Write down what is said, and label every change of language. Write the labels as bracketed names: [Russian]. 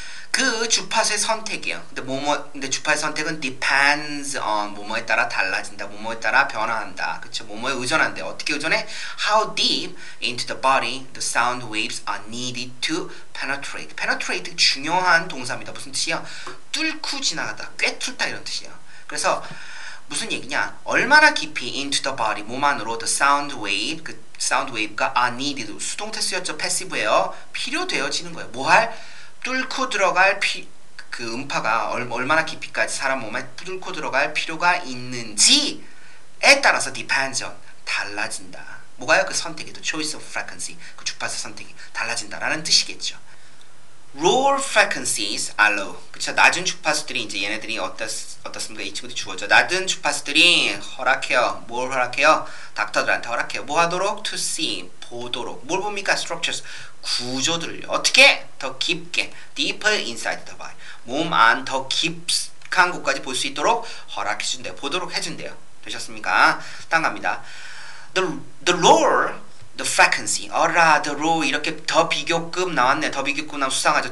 [Korean] 그 주파수의 선택이에요. 근데 주파수의 선택은 [English] depends on [Korean] 뭐뭐에 따라 달라진다. 뭐뭐에 따라 변화한다. 그쵸? 뭐뭐에 의존한대. 어떻게 의존해? [English] How deep into the body the sound waves are needed to penetrate. [Korean] penetrate 중요한 동사입니다. 무슨 뜻이야? 뚫고 지나가다, 꿰뚫다 이런 뜻이야. 그래서 무슨 얘기냐? 얼마나 깊이 [English] into the body [Korean] 몸 안으로 [English] the sound wave [Korean] 그 sound wave가 [English] are needed [Korean] 수동태 쓰였죠? passive예요. 필요되어지는 거예요. 뭐 할? 뚫고 들어갈 그 음파가 얼마나 깊이까지 사람 몸에 뚫고 들어갈 필요가 있는지에 따라서 [English] depends on [Korean] 달라진다. 뭐가요? 그 선택에도 [English] choice of frequency [Korean] 그 주파수 선택이 달라진다라는 뜻이겠죠. [English] Low frequencies are low. [Korean] 그쵸? 낮은 주파수들이 이제 얘네들이 어떻습니까? 이 친구들이 주어져. 낮은 주파수들이 허락해요. 뭘 허락해요? 닥터들한테 허락해요. 뭐 하도록? [English] To see. [Korean] 보도록. 뭘 봅니까? Structures. 구조들을요. 어떻게? 더 깊게. [English] Deeper inside the body. [Korean] 몸안더 깊숙한 곳까지 볼수 있도록 허락해준대요. 보도록 해준대요. 되셨습니까? 다음 갑니다. [English] The lower the frequency. [Korean] 어라, [English] the low. [Korean] 이렇게 더 비교급 나왔네. 더 비교급 나면 수상하죠.